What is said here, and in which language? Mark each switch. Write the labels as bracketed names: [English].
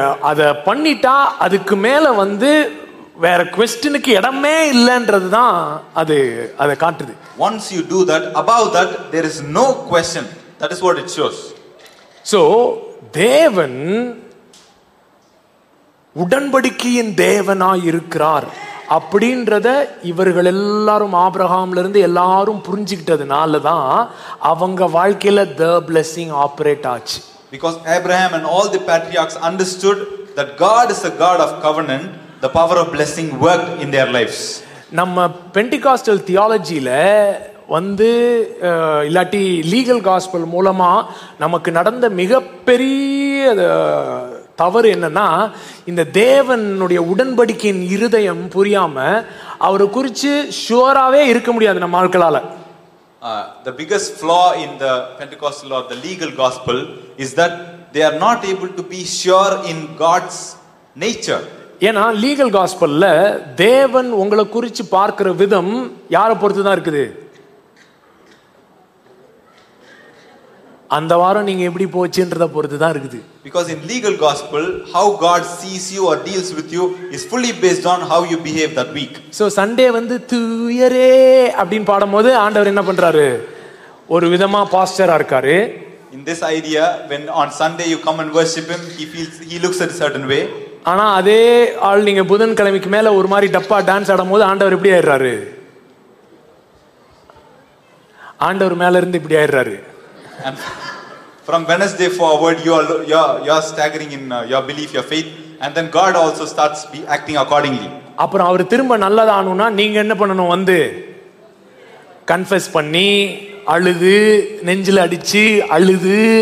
[Tamil] அது பண்ணிட்டா அதுக்கு மேல வந்து வேற க்வெஸ்டனுக்கு இடமே இல்லன்றது தான் அது அதை காட்டுது. [English] Once you do that, above that there is no question. That is what it shows. [Tamil] So தேவன் உடன்படிக்கையின் தேவனாய் இருக்கிறார் அப்படின்றத இவர்கள் எல்லாரும் ஆபிரகாம்ல இருந்து எல்லாரும் புரிஞ்சுக்கிட்டதுனால தான் அவங்க வாழ்க்கையில [English] the blessing operate [Tamil] ஆச்சு. [English] Because Abraham and all the patriarchs understood that God is a God of covenant, the power of blessing worked in their lives. [Tamil] நம்ம பெண்டிகாஸ்டல் தியாலஜியில வந்து இல்லாட்டி லீகல் காஸ்பல் மூலமா நமக்கு நடந்த மிகப்பெரிய தவறு என்னன்னா, இந்த தேவனுடைய உடன்படிக்கையின் இருதயம் புரியாம அவரை குறித்து ஷுவராகவே இருக்க முடியாது நம்ம ஆட்களால். [English] The biggest flaw in the Pentecostal or the legal gospel is that they are not able to be sure in God's nature. [Tamil] ஏன்னா லீகல் காஸ்பல்ல தேவன் உங்களை குறித்து பார்க்கிற விதம் யாரை பொறுத்து தான் இருக்குது? அந்த வாரம் நீங்க எப்படி போச்சுன்றத பொறுத்து தான் இருக்குது. [English] Because in legal gospel, how God sees you or deals with you is fully based on how you behave that week. [Tamil] So Sunday வந்து துயரே அப்படிን பாடும்போது ஆண்டவர் என்ன பண்றாரு? ஒரு விதமா பாஸ்டரா இருக்காரு. [English] In this idea, when on Sunday you come and worship him, he looks at a certain way. [Tamil] ஆனா அதே ஆள் நீங்க புதன் கிழமைக்கு மேல ஒரு மாதிரி டப்பா டான்ஸ் ஆடும்போது ஆண்டவர் எப்படி ஆயிடுறாரு? ஆண்டவர் மேல இருந்து இப்படி ஆயிடுறாரு. [English] From Wednesday forward, you are staggering in your belief, your faith, and then God also starts acting accordingly. [Tamil] அப்புறம் அவர் திரும்ப நல்லதானுனா நீங்க என்ன பண்ணணும்? வந்து கன்ஃபெஸ் பண்ணி அழுது, நெஞ்சில் அடிச்சு அழுது.